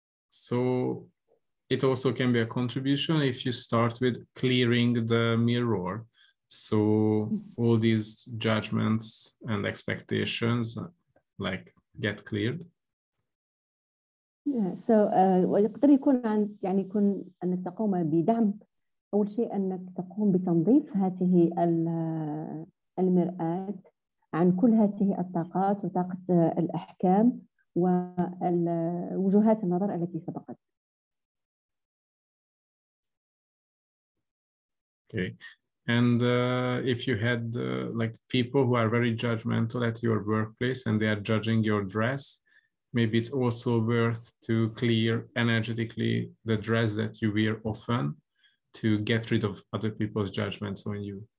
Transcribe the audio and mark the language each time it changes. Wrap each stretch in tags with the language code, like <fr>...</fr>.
<en>So it also can be a contribution if you start with clearing the mirror. So all these judgments and expectations like get cleared.</en> <ar>Yeah, so ويقدر يكون عند يعني يكون أنك تقوم بدعم أول شيء أنك تقوم بتنظيف هذه المرآة عن كل هذه الطاقات وطاقة الأحكام ووجهات النظر التي سبقت.</ar> <en>Okay. And if you had like people who are very judgmental at your workplace and they are judging your dress, maybe it's also worth to clear energetically the dress that you wear often to get rid of other people's judgments on you.</en>